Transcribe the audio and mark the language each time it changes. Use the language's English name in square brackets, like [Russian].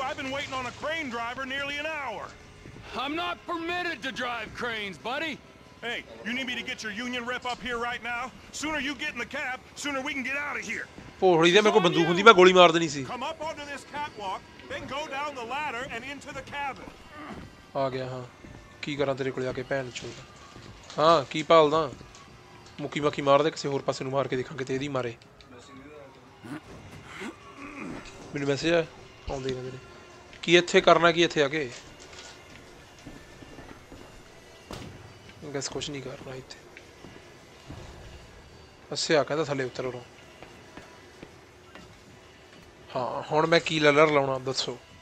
[English] I've been waiting on a crane driver nearly an hour. I'm not permitted to drive cranes, buddy. Hey, you need me to get your union rep up here right now? Sooner you get in the cab, sooner we can get out of here. [Punjabi] ਪੌੜੀ ਦੇ ਮੇਰੇ ਕੋਲ ਬੰਦੂਕ ਹੁੰਦੀ ਮੈਂ ਗੋਲੀ ਮਾਰ ਦੇਣੀ ਸੀ [English] Come up onto this catwalk. Then go down the ladder and into the cabin. [Punjabi] ਆ ਗਿਆ ਹਾਂ ਕੀ ਕਰਾਂ ਤੇਰੇ ਕੋਲੇ ਆ ਕੇ ਭੈਣ ਚੋ ਹਾਂ ਕੀ ਭਾਲਦਾ ਮੁੱਕੀ ਮੱਕੀ ਮਾਰ ਦੇ ਕਿਸੇ ਹੋਰ ਪਾਸੇ ਨੂੰ ਮਾਰ ਕੇ ਦੇਖਾਂ ਕਿਤੇ ਇਹਦੀ ਮਾਰੇ ਮੈਨੂੰ ਮੈਸੇਜ ਆ ਆਉਂਦੇ ਨੇ ਮੇਰੇ ਕੀ ਇੱਥੇ ਕਰਨਾ ਕੀ ਇੱਥੇ ਆ ਕੇ ਗੈਸ ਕੁਛ ਨਹੀਂ ਕਰਨਾ ਇੱਥੇ ਅੱਛਾ ਕਹਿੰਦਾ ਥੱਲੇ ਉੱਤਰ ਉਰੋਂ ਹਾਂ ਹੁਣ ਮੈਂ ਕੀ ਲਲਰ ਲਾਉਣਾ ਦੱਸੋ